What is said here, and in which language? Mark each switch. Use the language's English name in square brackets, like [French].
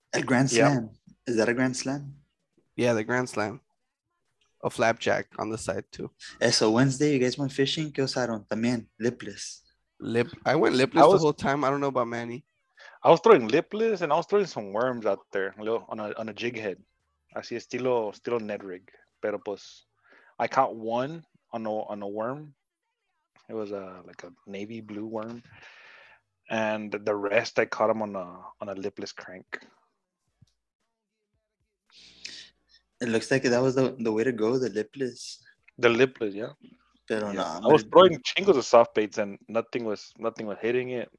[English] A grand slam. Yep. Is that a grand slam? Yeah, the grand slam. A flapjack on the side, too. So Wednesday, you guys went fishing? [Spanish] ¿Qué usaron? También, [English] lipless. I went lipless the whole time. I don't know about Manny. I was throwing lipless and I was throwing some worms out there on a jig head. [Spanish] Así estilo [English] net rig. [Spanish] Pero pues, [English] I caught one on a worm It was like a navy blue worm. And the rest, I caught them on a lipless crank. It looks like that was the way to go, the lipless. The lipless, yeah. Yeah. I was throwing chingles of soft baits and nothing was hitting it.